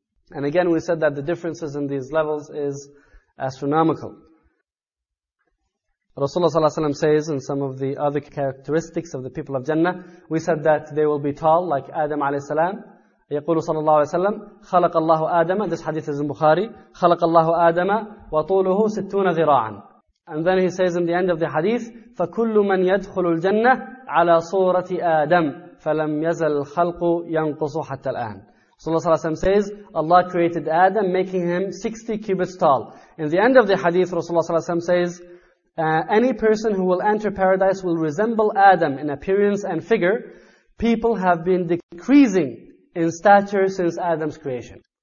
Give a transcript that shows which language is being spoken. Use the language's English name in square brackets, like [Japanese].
[English] And again, we said that the differences in these levels is astronomical. Rasulullah ﷺ says in some of the other characteristics of the people of Jannah, we said that they will be tall like Adam ﷺ. [Arabic] يقول صلى الله عليه وسلم خلق الله آدم. [English] This hadith is in Bukhari. [Arabic] خلق الله آدم وطوله 60 ذراعا. [English] And then he says in the end of the hadith, [Arabic] فكل من يدخل الجنة على صورة آدم فلم يزل الخلق ينقص حتى الآن. [English] Rasulullah ﷺ says, Allah created Adam, making him 60 cubits tall. In the end of the hadith, Rasulullah ﷺ says, Any person who will enter paradise will resemble Adam in appearance and figure. People have been decreasing in stature since Adam's creation.